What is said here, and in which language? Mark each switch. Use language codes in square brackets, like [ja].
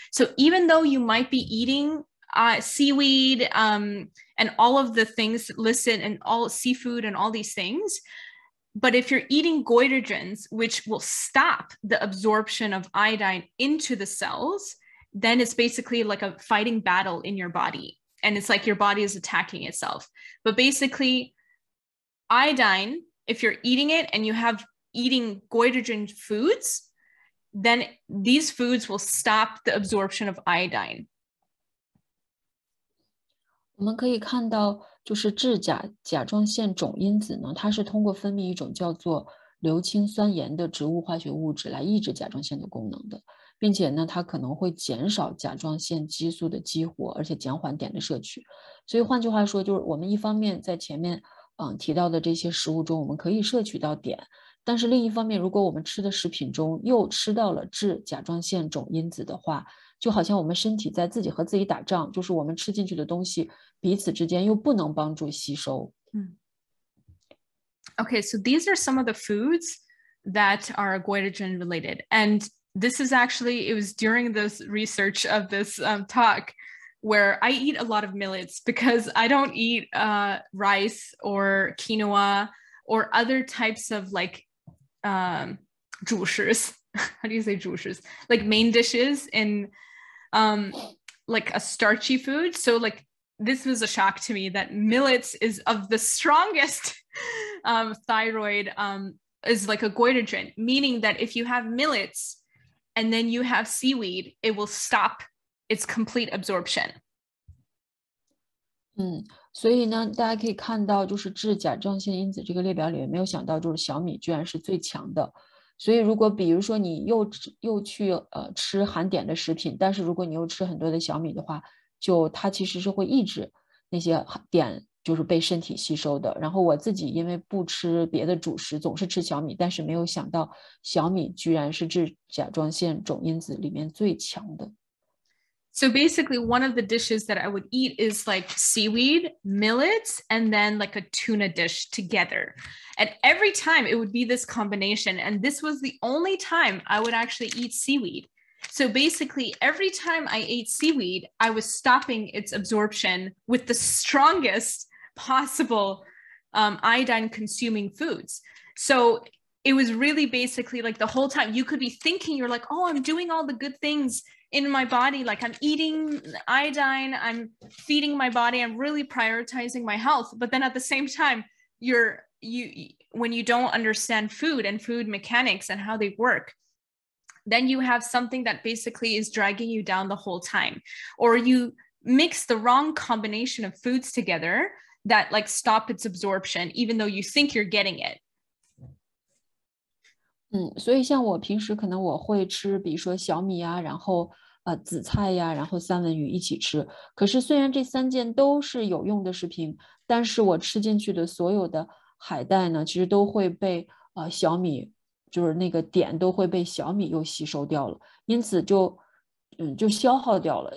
[en] So even though you might be eating seaweed and all of the things listed and all seafood and all these things,But if you're eating goitrogens, which will stop the absorption of iodine into the cells, then it's basically like a fighting battle in your body. And it's like your body is attacking itself. But basically, iodine, if you're eating it and you have eating goitrogen foods, then these foods will stop the absorption of iodine. [zh] 我们可以看到就是致甲甲状腺种因子呢它是通过分泌一种叫做硫氰酸盐的植物化学物质来抑制甲状腺的功能的并且呢它可能会减少甲状腺激素的激活而且减缓碘的摄取所以换句话说就是我们一方面在前面提到的这些食物中我们可以摄取到碘，但是另一方面，如果我们吃的食品中又吃到了致甲状腺肿因子的话，就好像我们身体在自己和自己打仗，就是我们吃进去的东西彼此之间又不能帮助吸收。 [en] Okay, so these are some of the foods that are goitrogen related. And this is actually, it was during this research of this talk where I eat a lot of millets because I don't eat rice or quinoa or other types of like 主食s. How do you say 主食s? Like main dishes in like a starchy food. So like this was a shock to me that millets is of the strongest thyroid is like a goitrogen, meaning that if you have millets and then you have seaweed, it will stop its complete absorption. [zh] 所以呢，大家可以看到，就是致甲状腺因子这个列表里面，没有想到就是小米居然是最强的。所以如果比如说你又去吃含碘的食品，但是如果你又吃很多的小米的话，就它其实是会抑制那些碘就是被身体吸收的。然后我自己因为不吃别的主食，总是吃小米，但是没有想到小米居然是致甲状腺肿因子里面最强的。 [en] So basically, one of the dishes that I would eat is like seaweed, millets, and then like a tuna dish together. And every time it would be this combination. And this was the only time I would actually eat seaweed. So basically, every time I ate seaweed, I was stopping its absorption with the strongest possible iodine consuming foods. So it was really basically like the whole time you could be thinking, you're like, oh, I'm doing all the good things in my body, like I'm eating iodine, I'm feeding my body, I'm really prioritizing my health. But then at the same time, when you don't understand food and food mechanics and how they work, then you have something that basically is dragging you down the whole time. Or you mix the wrong combination of foods together that like stop its absorption, even though you think you're getting it. [zh] 所以像我平时可能我会吃，比如说小米呀，然后紫菜呀，然后三文鱼一起吃。可是虽然这三件都是有用的食品，但是我吃进去的所有的海带呢，其实都会被小米，就是那个碘都会被小米又吸收掉了，因此就消耗掉了。